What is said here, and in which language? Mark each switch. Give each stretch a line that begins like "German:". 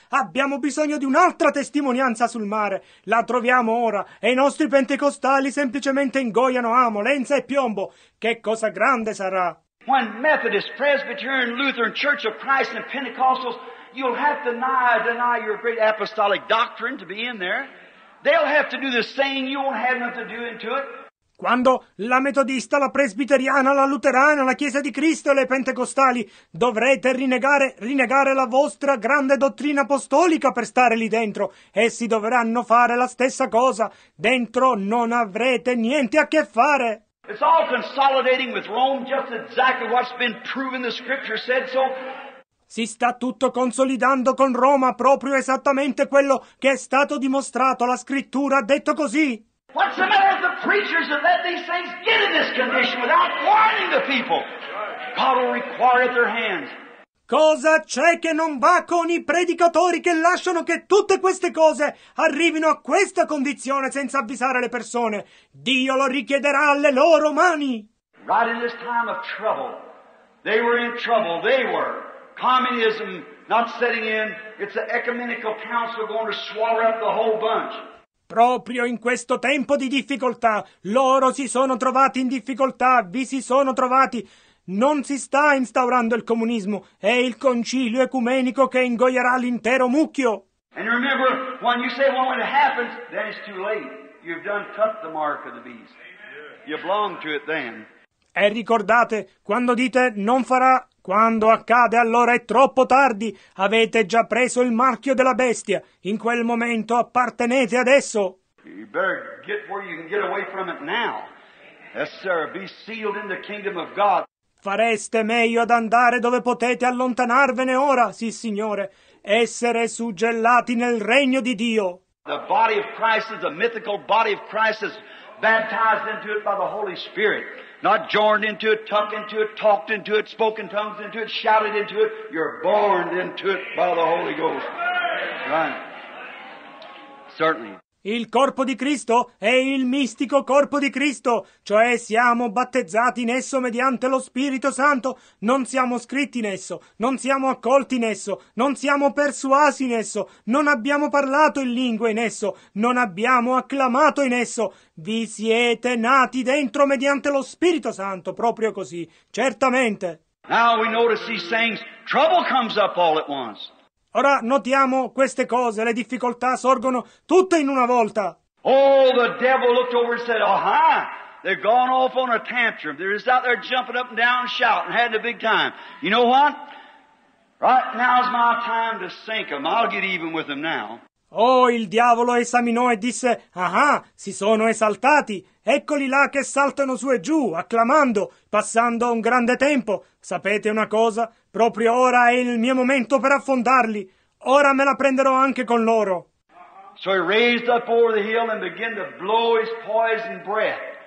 Italian: Abbiamo bisogno di un'altra testimonianza sul mare. La troviamo ora. E i nostri pentecostali semplicemente ingoiano amo, lenza e piombo. Che cosa grande sarà.
English: When Methodist, Presbyterian, Lutheran, Church of Christ and Pentecostals, you'll have to deny your great apostolic doctrine to be in there. They'll have to do the same. You won't have nothing to do into it.
Italian: Quando la metodista, la presbiteriana, la luterana, la chiesa di Cristo e le pentecostali dovrete rinnegare la vostra grande dottrina apostolica per stare lì dentro. Essi dovranno fare la stessa cosa. Dentro non avrete niente a che fare.
English: It's all consolidating with Rome, just exactly what's been proven the scripture said so.
Italian: Si sta tutto consolidando con Roma, proprio esattamente quello che è stato dimostrato. La scrittura ha detto così.
English: What's the matter with the preachers that let these things get in this condition without warning the people? God will require their hands.
Italian: Cosa c'è che non va con i predicatori che lasciano che tutte queste cose arrivino a questa condizione senza avvisare le persone? Dio lo richiederà alle loro mani.
English: Right in this time of trouble, they were in trouble, they were. Communism not setting in, it's an ecumenical council going to swallow up the whole bunch.
Italian: Proprio in questo tempo di difficoltà, loro si sono trovati in difficoltà, vi si sono trovati. Non si sta instaurando il comunismo, è il concilio ecumenico che ingoierà l'intero mucchio.
English: And remember, when you say, well, when it happens, then it's too late. You've done cut the mark of the beast. You belong to it then.
Italian: E ricordate, quando dite, non farà... Quando accade, allora è troppo tardi. Avete già preso il marchio della bestia. In quel momento appartenete ad esso.
English: You better get where you can get away from it now. Yes, sir, be sealed in the kingdom of God.
Italian: Fareste meglio ad andare dove potete allontanarvene ora, sì, signore. Essere suggellati nel regno di Dio.
English: The body of Christ is a mythical body of Christ is baptized into it by the Holy Spirit. Not joined into it, tucked into it, talked into it, spoken tongues into it, shouted into it. You're born into it by the Holy Ghost. Right. Certainly.
Italian: Il corpo di Cristo è il mistico corpo di Cristo, cioè siamo battezzati in esso mediante lo Spirito Santo, non siamo scritti in esso, non siamo accolti in esso, non siamo persuasi in esso, non abbiamo parlato in lingua in esso, non abbiamo acclamato in esso, vi siete nati dentro mediante lo Spirito Santo, proprio così, certamente.
English: Now we notice these things, trouble comes up all at once.
Italian: Ora notiamo queste cose, le difficoltà sorgono tutte in una volta.
English: Oh, the devil looked over and said, aha, they've gone off on a tantrum. They're just out there jumping up and down, shouting, having a big time. You know what? Right now's my time to sink them. I'll get even with them now.
Italian: Oh, il diavolo esaminò e disse, aha, si sono esaltati. Eccoli là che saltano su e giù, acclamando, passando un grande tempo. Sapete una cosa? Proprio ora è il mio momento per affondarli. Ora me la prenderò anche con loro.
English: So he raised up over the hill and began to blow his poison breath.